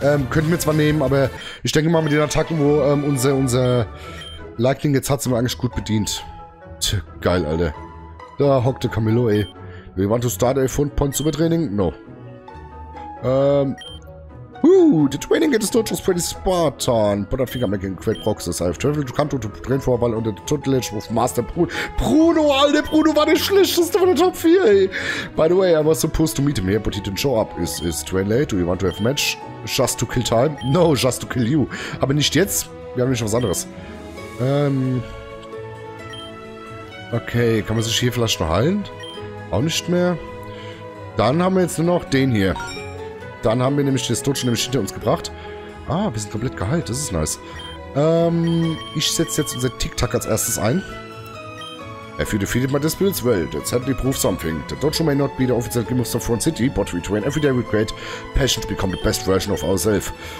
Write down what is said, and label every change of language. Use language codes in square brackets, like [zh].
[de] Könnten wir zwar nehmen, aber ich denke mal mit den Attacken, wo unser Lightning jetzt hat, sind wir eigentlich gut bedient. Tja, geil, Alter. Da hockte Camillo, ey. [en] Do you want to start a fund point super training? No. The training at the Dojo is pretty spartan, but I think I'm making great progress. I've traveled to Kanto to train for a while under the tutelage of Master Bruno, [de] Alter, Bruno war der Schlechteste von der Top 4, ey. [en] By the way, I was supposed to meet him here, but he didn't show up. Is train late? Do you want to have a match? Just to kill time? No, just to kill you. [de] Aber nicht jetzt. Wir haben nicht was anderes. Okay, kann man sich hier vielleicht noch heilen? Auch nicht mehr. Dann haben wir jetzt nur noch den hier. Dann haben wir nämlich das Dojo nämlich hinter uns gebracht. Ah, wir sind komplett geheilt. Das ist nice. Ich setze jetzt unser Tic-Tac als erstes ein. [en] If you defeated my disputes, well, that certainly proves something. The Dojo may not be the official gym of the Front City, but we train every day with great passion to become the best version of ourselves.